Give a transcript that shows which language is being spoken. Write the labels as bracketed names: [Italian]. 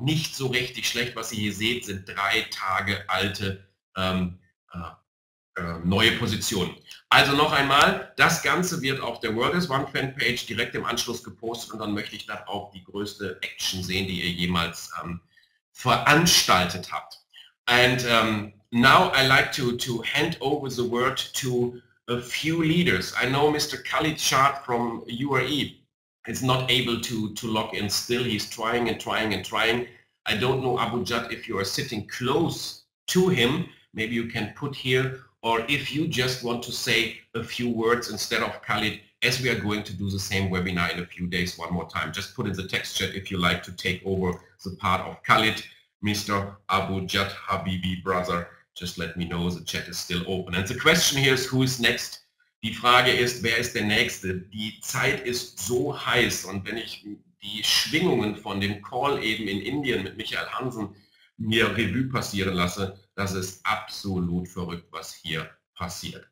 [German] Nicht so richtig schlecht, was ihr hier seht, sind 3 Tage alte neue Positionen. Also noch einmal, das Ganze wird auf der Worlders One Fanpage direkt im Anschluss gepostet und dann möchte ich dann auch die größte Action sehen, die ihr jemals veranstaltet habt. [English] And now I like to hand over the word to a few leaders. I know Mr. Khalid Shad from UAE is not able to log in still. He's trying and trying and trying. I don't know, Abu Jad, if you are sitting close to him, maybe you can put here, or if you just want to say a few words instead of Khalid, as we are going to do the same webinar in a few days one more time, just put in the text chat if you like to take over the part of Khalid, Mr. Abu Jad Habibi, brother. Just let me know, the chat is still open. And the question here is, who is next? [German] Die Frage ist, wer ist der Nächste? Die Zeit ist so heiß, und wenn ich die Schwingungen von dem Call eben in Indien mit Michael Hansen mir Revue passieren lasse, das ist absolut verrückt, was hier passiert.